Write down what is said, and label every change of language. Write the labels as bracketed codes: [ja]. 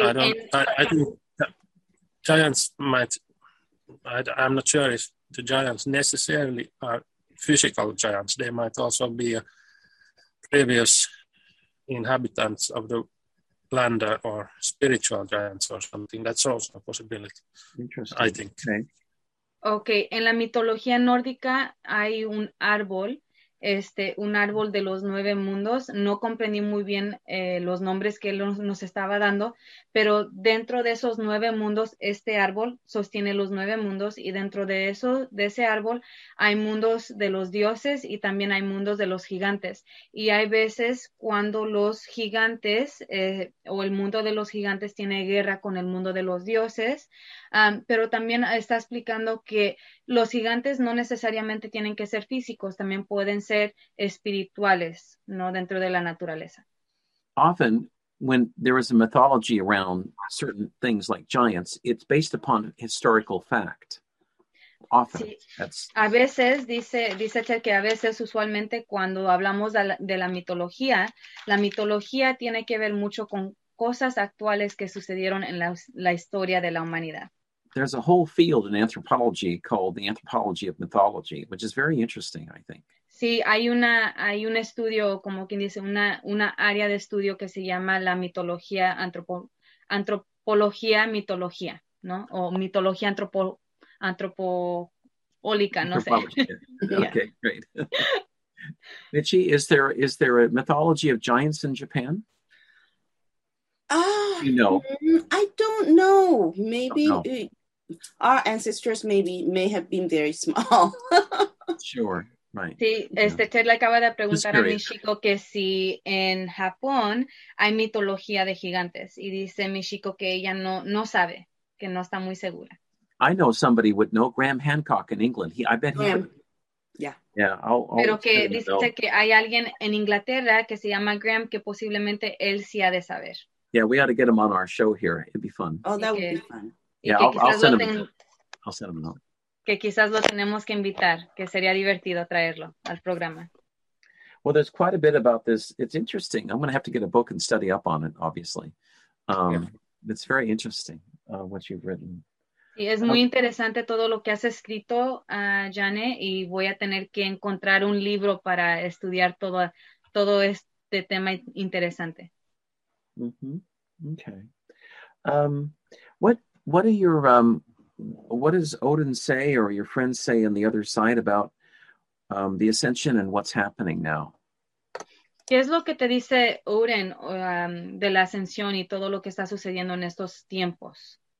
[en] I'm not sure if the giants necessarily are physical giants. They might also be previous inhabitants of the land or spiritual giants or something. That's also a possibility, interesting, I think. Okay. [es] En la mitología nórdica hay un árbol, un árbol de los nueve mundos. No comprendí muy bien los nombres que él nos estaba dando, pero dentro de esos nueve mundos, este árbol sostiene los nueve mundos, y dentro de eso, de ese árbol, hay mundos de los dioses y también hay mundos de los gigantes. Y hay veces cuando los gigantes o el mundo de los gigantes tiene guerra con el mundo de los dioses, pero también está explicando que los gigantes no necesariamente tienen que ser físicos, también pueden ser espirituales, ¿no? Dentro de la naturaleza. [en] Often, when there is a mythology around certain things like giants, it's based upon historical fact. Often, [es] sí. A veces, dice Ted, que a veces, usualmente, cuando hablamos de la mitología tiene que ver mucho con cosas actuales que sucedieron en la historia de la humanidad. [en] There's a whole field in anthropology called the anthropology of mythology, which is very interesting, I think. [es] Sí, hay un estudio, como quien dice, una área de estudio que se llama la mitología, antropología, mitología, ¿no? O mitología antropólica, no sé. [en] Okay, great. Michi, is there a mythology of giants in Japan? I don't know. Maybe our ancestors may have been very small. Sure. Right. [es] Sí, Ted le acaba de preguntar a Michiko que si en Japón hay mitología de gigantes, y dice Michiko que ella no sabe, que no está muy segura. [en] I know somebody would know Graham Hancock in England. [es] Pero que dice que hay alguien en Inglaterra que se llama Graham que posiblemente él sí ha de saber. [en] Yeah, we ought to get him on our show here. It'd be fun. Oh, that would be fun. Yeah, I'll send him a note. [es] Que quizás lo tenemos que invitar, que sería divertido traerlo al programa. [en] Well, there's quite a bit about this. It's interesting. I'm going to have to get a book and study up on it, obviously. It's very interesting, what you've written. [es] Sí, es muy interesante todo lo que has escrito, Janne, y voy a tener que encontrar un libro para estudiar todo este tema interesante. [en] Mm-hmm. Okay. What are your... what does Odin say, or your friends say on the other side, about the ascension and what's happening now? [es] ¿Qué es lo que te dice Odin de la ascensión y todo lo que está sucediendo en estos tiempos?